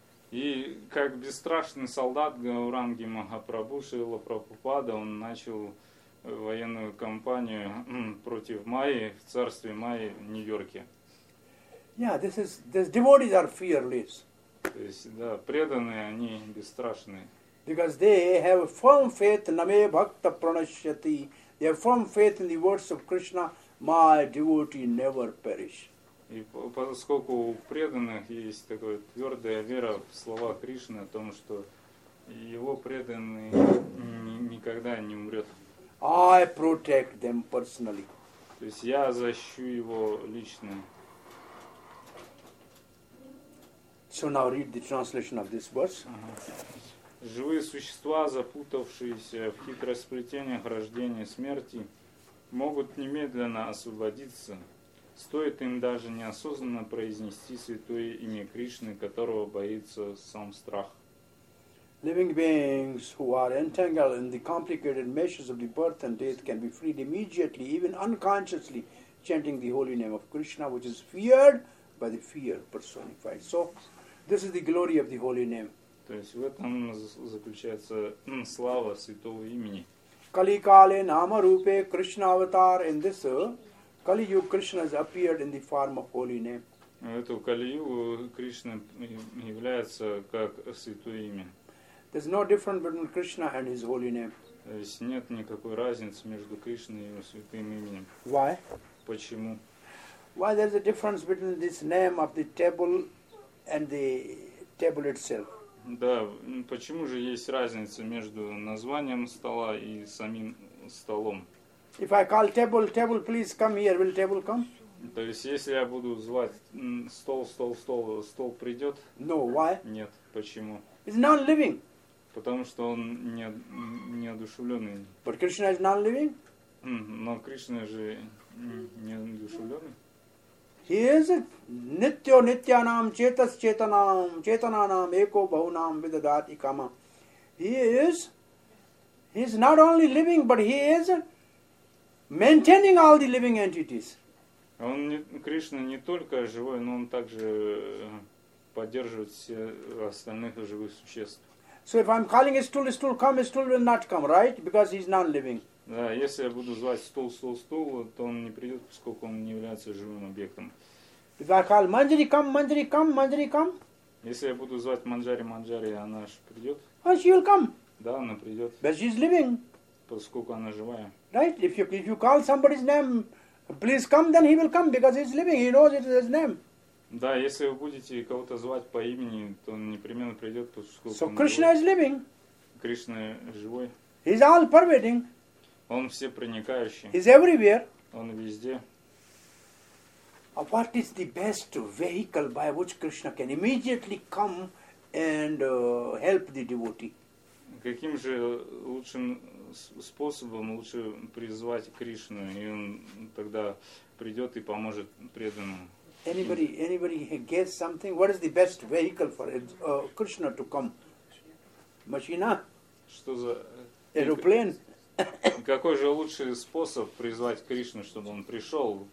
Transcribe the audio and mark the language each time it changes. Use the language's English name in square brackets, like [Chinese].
[Russian] И как бесстрашный солдат Гауранги Махапрабху, Шрила Прабхупада, он начал военную кампанию против Майи, в царстве Майи в Нью-Йорке. [English] Yeah, these devotees are fearless. [Russian] То есть, да, преданные, они бесстрашные. [English] Because they have firm faith, [Sanskrit] name bhakta pranashyati. [English] They have firm faith in the words of Krishna, my devotee never perish. [Russian] И поскольку у преданных есть такая твердая вера в слова Кришны о том, что его преданный никогда не умрет. [English] I protect them personally. [Russian] То есть я защищу его лично. [English] So now read the translation of this verse. [Russian] Живые существа, запутавшиеся в хитросплетениях рождения и смерти, могут немедленно освободиться. Стоит им даже неосознанно произнести святое имя Кришны, которого боится сам страх. [English] Living beings who are entangled in the complicated meshes of the birth and death can be freed immediately, even unconsciously, chanting the holy name of Krishna, which is feared by the fear personified. So, this is the glory of the holy name. [Russian] То есть в этом заключается слава святого имени. [Sanskrit] Kali kale nama rupe Krishna avatar [English] in this Kali Yuga Krishna has appeared in the form of holy name. [Russian] Эту Kali Yuga Krishna является как святое имя. [English] There's no difference between Krishna and his holy name. [Russian] То есть нет никакой разницы между Кришной и его святым именем. [English] Why? [Russian] Почему? [English] Why there's a difference between this name of the table and the table itself? [Russian] Да, почему же есть разница между названием стола и самим столом? [English] If I call table, please come here. Will table come? [Russian] То есть, если я буду звать стол придет? [English] No, why? [Russian] Нет, почему? [English] It's non-living. [Russian] Потому что он неодушевленный. [English] But Krishna is non-living? [Russian] Но Кришна же неодушевленный. [English] He is [Sanskrit] nityo nityanam chetas chetanam chetananam eko bahunam vidadati kama. [English] He is not only living, but he is maintaining all the living entities. [Russian] Он Кришна не только живой, но он также поддерживает все остальных живых существ. [English] So if I'm calling a stool come, a stool will not come, right? Because he's non-living. [Russian] Да, если я буду звать стул, то он не придет, поскольку он не является живым объектом. [English] If I call Manjari come. [Russian] Если я буду звать Манджари, она же придет. [English] Oh, she will come. [Russian] Да, она придет. [English] But she's living. [Russian] Поскольку она живая. [English] Right? If you call somebody's name, please come, then he will come, because he's living, he knows it is his name. [Russian] Да, если вы будете кого-то звать по имени, то он непременно придет, поскольку он живой. [English] So Krishna is living. [Russian] Кришна живой. [English] He's all pervading. [Russian] Он все проникающий. [English] He's everywhere. [Russian] Он везде. [English] What is the best vehicle by which Krishna can immediately come and help the devotee? [Russian] Каким же лучшим способом лучше призвать Кришну, и он тогда придет и поможет преданному? [English] Anybody guess something? What is the best vehicle for Krishna to come? [Russian] Machina? Что за? [English] Aeroplane? [Russian] Какой же лучший способ призвать Кришну, чтобы он пришел?